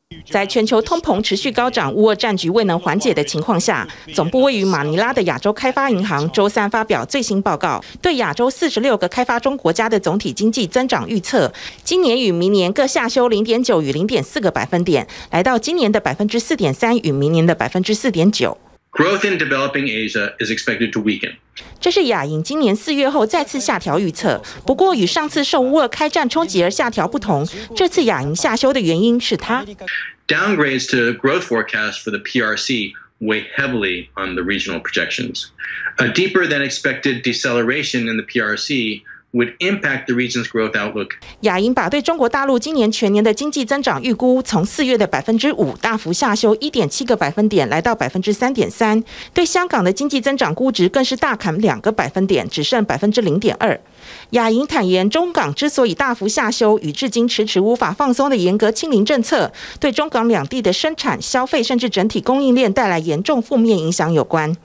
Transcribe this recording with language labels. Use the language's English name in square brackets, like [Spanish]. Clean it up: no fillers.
[Chinese] 在全球通膨持续高涨、乌俄战局未能缓解的情况下，总部位于马尼拉的亚洲开发银行周三发表最新报告，对亚洲46个开发中国家的总体经济增长预测，今年与明年各下修 0.9 与 0.4 个百分点，来到今年的 4.3% 与明年的 4.9%。 [English] Growth in developing Asia is expected to weaken. [Chinese] 这是亚银今年四月后再次下调预测。不过与上次受乌俄开战冲击而下调不同，这次亚银下修的原因是它 [English] downgrades to growth forecast for the PRC weigh heavily on the regional projections. A deeper than expected deceleration in the PRC. Would impact the region's growth outlook. [Chinese] 亚银把对中国大陆今年全年的经济增长预估从四月的5%大幅下修1.7个百分点，来到3.3%。对香港的经济增长估值更是大砍两个百分点，只剩0.2%。亚银坦言，中港之所以大幅下修，与至今迟迟无法放松的严格清零政策，对中港两地的生产、消费，甚至整体供应链带来严重负面影响有关。